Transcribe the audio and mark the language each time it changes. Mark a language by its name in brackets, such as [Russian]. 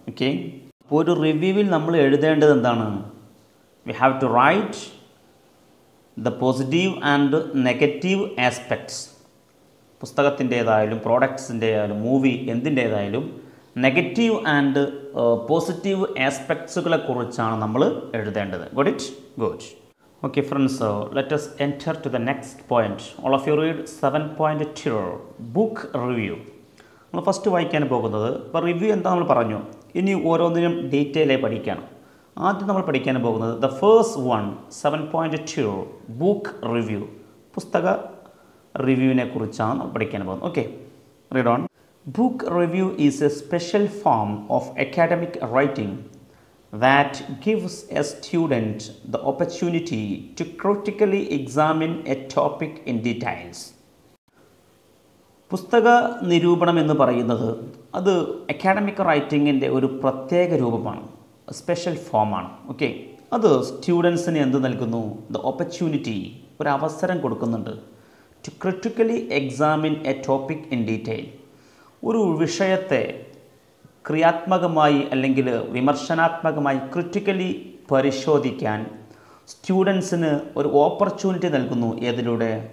[Malayalam] Okay, അപ്പോൾ ഒരു റിവ്യൂവിൽ നമ്മൾ എഴുതേണ്ടത് എന്താണ്? [English] We have to write the positive and negative aspects. [Malayalam] പുസ്തകത്തിൻ്റേതായാലും പ്രോഡക്ട്സിൻ്റേതായാലും movie എന്തിൻ്റേതായാലും negative and positive ആസ്പെക്ട്സുകളെ കുറിച്ചാണ് നമ്മൾ എഴുതേണ്ടത്. [English] Good it good. Okay friends, so let us enter to the next point. All of you read 7.2 book review. [Malayalam] നമ്മൾ first വായിക്കാൻ പോകുന്നത്, ഇപ്പോൾ review എന്താ നമ്മൾ പറഞ്ഞു, ഇനി ഓരോന്നിനും ഡീറ്റെയിൽ ആയി പഠിക്കണം. ആദ്യം നമ്മൾ പഠിക്കാൻ പോകുന്നത് [English] the first one [Malayalam] 7.2 book review, പുസ്തക റിവ്യൂവിനെ കുറിച്ചാണ് നമ്മൾ പഠിക്കാൻ പോകുന്നത്. [English] Okay read on. Book review is a special form of academic writing that gives a student the opportunity to critically examine a topic in details. [Malayalam] പുസ്തക നിരൂപണം എന്ന് പറയുന്നത് അത് അക്കാഡമിക് റൈറ്റിംഗിൻ്റെ ഒരു പ്രത്യേക രൂപമാണ്, സ്പെഷ്യൽ ഫോമാണ്. ഓക്കെ, അത് സ്റ്റുഡൻസിന് എന്ത് നൽകുന്നു? [English] the opportunity, [Malayalam] ഒരു അവസരം കൊടുക്കുന്നുണ്ട്. [English] to critically examine a topic in detail, [Malayalam] ഒരു വിഷയത്തെ ക്രിയാത്മകമായി അല്ലെങ്കിൽ വിമർശനാത്മകമായി ക്രിറ്റിക്കലി പരിശോധിക്കാൻ സ്റ്റുഡൻസിന് ഒരു ഓപ്പർച്യൂണിറ്റി നൽകുന്നു. ഏതിലൂടെ?